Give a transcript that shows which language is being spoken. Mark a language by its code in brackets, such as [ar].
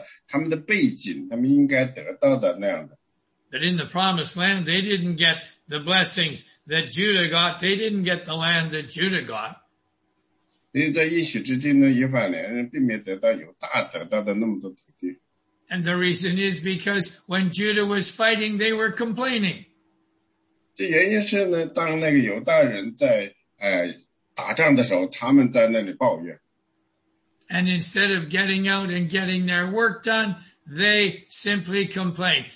[zh] 因为以法莲呢，他们甚至他们有很多的他们的背景，他们应该得到的那样的。 [en] But in the promised land, they didn't get the blessings that Judah got. They didn't get the land that Judah got. [zh] 所以在应许之地呢，以法莲人并没得到犹大得到的那么多土地。 [en] And the reason is because when Judah was fighting, they were complaining. [zh] 这原因是呢，当那个犹大人在打仗的时候，他们在那里抱怨。 [en] And instead of getting out and getting their work done, they simply complained.